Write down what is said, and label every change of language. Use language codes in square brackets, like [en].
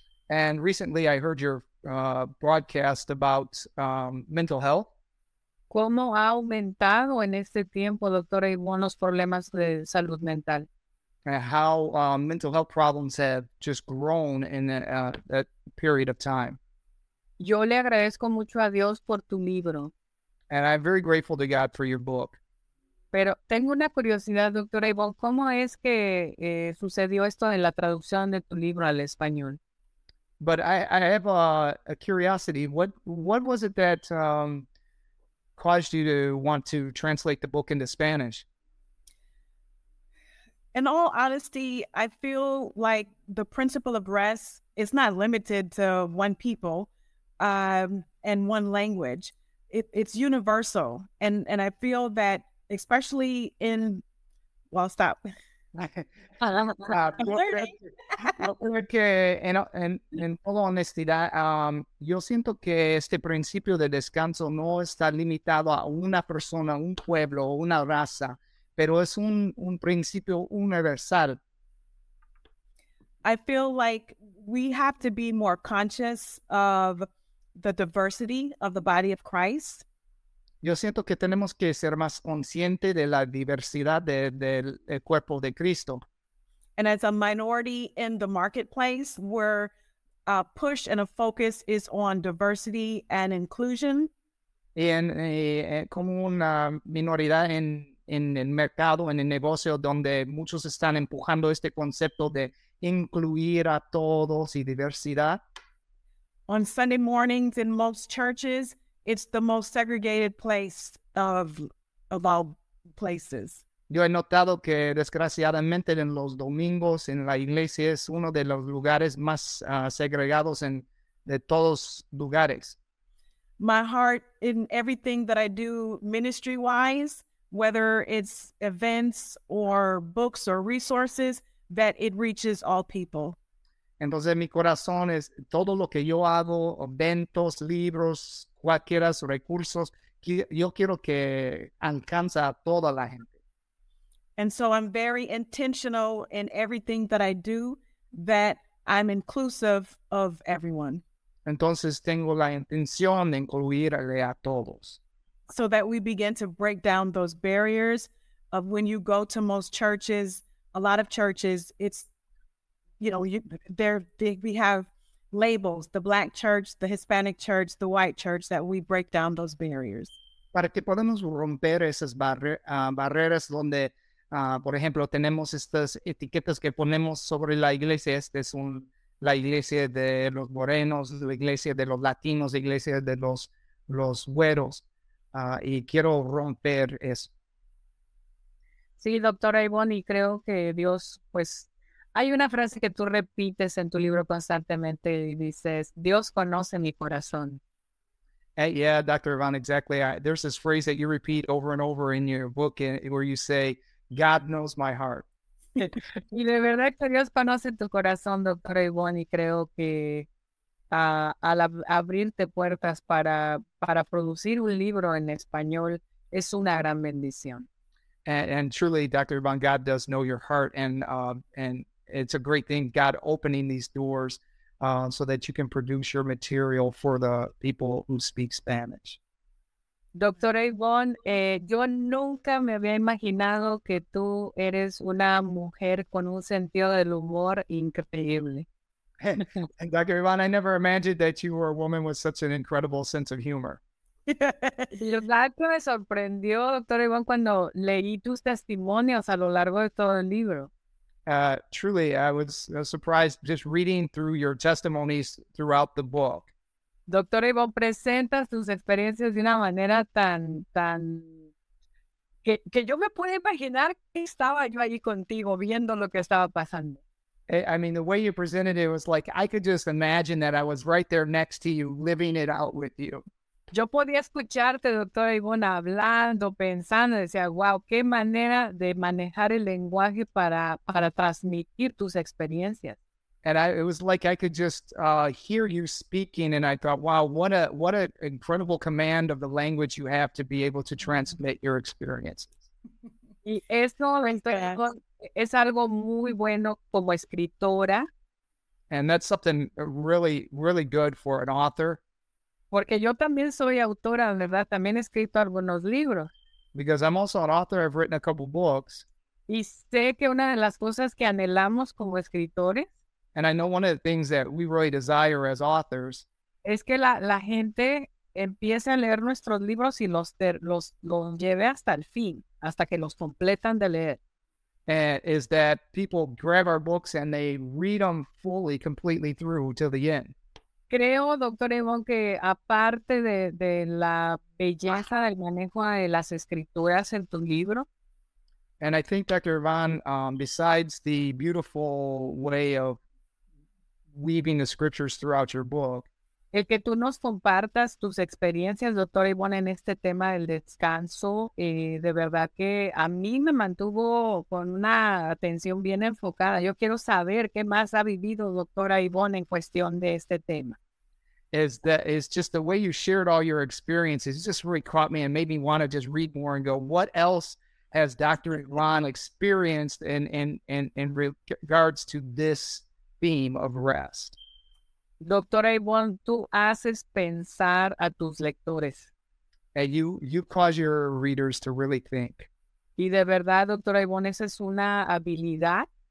[en] And recently I heard your broadcast about mental health. [es] ¿Cómo ha aumentado en este tiempo, Dr. Yvonne, los problemas de salud mental? [en] And how mental health problems have just grown in that period of time. [es] Yo le agradezco mucho a Dios por tu libro. [en] And I'm very grateful to God for your book. [es] Pero tengo una curiosidad, doctora Yvonne, ¿cómo es que sucedió esto en la traducción de tu libro al español? [en] But I have a curiosity. What was it that caused you to want to translate the book into Spanish? In all honesty, I feel like the principle of rest is not limited to one people and one language. It's universal. And I feel that especially in, well, stop. [es] en toda honestidad, yo siento que este principio de descanso no está limitado a una persona, un pueblo, una raza, pero es un principio universal. [en] I feel like we have to be more conscious of the diversity of the body of Christ. [es] Yo siento que tenemos que ser más consciente de la diversidad del cuerpo de Cristo. [en] And as a minority in the marketplace, where a push and a focus is on diversity and inclusion. [es] Y como una minoridad en el mercado, en el negocio, donde muchos están empujando este concepto de incluir a todos y diversidad. [en] On Sunday mornings in most churches, it's the most segregated place of all places. [es] Yo he notado que desgraciadamente en los domingos en la iglesia es uno de los lugares más segregados en de todos lugares. [en] My heart in everything that I do ministry-wise, whether it's events or books or resources, that it reaches all people. [es] Entonces mi corazón es todo lo que yo hago, eventos, libros, cualquiera recursos, yo quiero que alcance a toda la gente. [en] And so I'm very intentional in everything that I do, that I'm inclusive of everyone. [es] Entonces tengo la intención de incluirle a todos. [en] So that we begin to break down those barriers of when you go to most churches, a lot of churches, it's, you know, we have labels, the black church, the Hispanic church, the white church, that we break down those barriers. [es] Para que podamos romper esas barreras donde, por ejemplo, tenemos estas etiquetas que ponemos sobre la iglesia. Esta es la iglesia de los morenos, la iglesia de los latinos, la iglesia de los güeros. Y quiero romper eso. Sí, doctora Yvonne, y creo que Dios, pues, hay una frase que tú repites en tu libro constantemente y dices, Dios conoce mi corazón. [en] Yeah, Dr. Yvonne, exactly. There's this phrase that you repeat over and over in your book where you say, God knows my heart. [es] Y de verdad que Dios conoce tu corazón, Dr. Yvonne, y creo que abrirte puertas para producir un libro en español es una gran bendición. [en] And truly, Dr. Yvonne, God does know your heart, and it's a great thing, God opening these doors so that you can produce your material for the people who speak Spanish. [es] Doctora Yvonne, yo nunca me había imaginado que tú eres una mujer con un sentido del humor increíble. [en] And Dr. Yvonne, I never imagined that you were a woman with such an incredible sense of humor. [es] Yo tanto me sorprendió, Dr. Yvonne, cuando leí tus testimonios a lo largo de todo el libro. [en] Truly, I was surprised just reading through your testimonies throughout the book. [es] Doctora Yvonne, presentas tus experiencias de una manera tan que yo me pude imaginar que estaba yo allí contigo viendo lo que estaba pasando. [en] I mean, the way you presented it was like I could just imagine that I was right there next to you, living it out with you. [es] Yo podía escucharte, doctora Yvonne, hablando, pensando, decía, wow, qué manera de manejar el lenguaje para transmitir tus experiencias. [en] And it was like I could just hear you speaking, and I thought, wow, what an incredible command of the language you have to be able to transmit your experiences. [es] Y eso es algo muy bueno como escritora. [en] And that's something really, really good for an author. [es] Porque yo también soy autora, ¿verdad? También he escrito algunos libros. [en] Because I'm also an author, I've written a couple books. [es] Y sé que una de las cosas que anhelamos como escritores, [en] and I know one of the things that we really desire as authors [es] es que la gente empiece a leer nuestros libros y los lleve hasta el fin, hasta que los completan de leer. [en] And is that people grab our books and they read them fully, completely through till the end. [es] Creo, Dr. Evon, que aparte de la belleza del manejo de las escrituras en tu libro, [en] and I think, Dr. Evon, besides the beautiful way of weaving the scriptures throughout your book, [es] el que tú nos compartas tus experiencias, doctora Ivonne, en este tema del descanso, de verdad que a mí me mantuvo con una atención bien enfocada. Yo quiero saber qué más ha vivido doctora Ivonne en cuestión de este tema. [en] Is just the way you shared all your experiences just really caught me and made me want to just read more and go, what else has Dr. Ivonne experienced in regards to this theme of rest? [es] Doctora Yvonne, tú haces pensar a tus lectores. [en] And you cause your readers to really think. [es] Y de verdad, doctora Yvonne, esa es una habilidad.